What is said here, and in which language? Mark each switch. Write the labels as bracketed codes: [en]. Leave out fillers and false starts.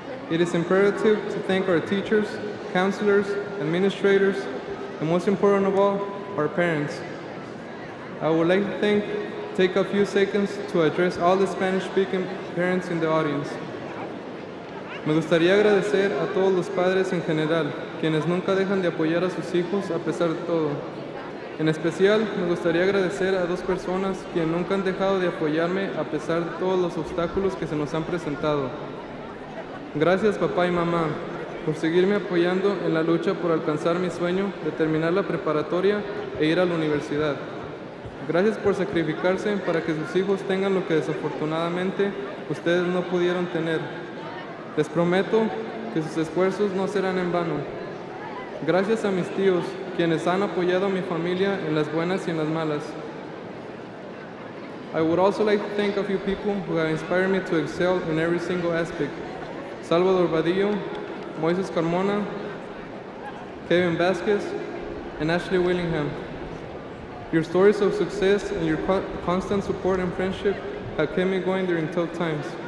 [en] It is imperative to thank our teachers, counselors, administrators, and most important of all, our parents. I would like to take a few seconds to address all the Spanish-speaking parents in the audience. [es] Me gustaría agradecer a todos los padres en general, quienes nunca dejan de apoyar a sus hijos a pesar de todo. En especial, me gustaría agradecer a dos personas que nunca han dejado de apoyarme a pesar de todos los obstáculos que se nos han presentado. Gracias, papá y mamá, por seguirme apoyando en la lucha por alcanzar mi sueño de terminar la preparatoria e ir a la universidad. Gracias por sacrificarse para que sus hijos tengan lo que desafortunadamente ustedes no pudieron tener. Les prometo que sus esfuerzos no serán en vano. Gracias a mis tíos, quienes han apoyado a mi familia en las buenas y en las malas. [en] I would also like to thank a few people who have inspired me to excel in every single aspect. Salvador Vadillo, Moises Carmona, Kevin Vasquez, and Ashley Willingham. Your stories of success and your constant support and friendship have kept me going during tough times.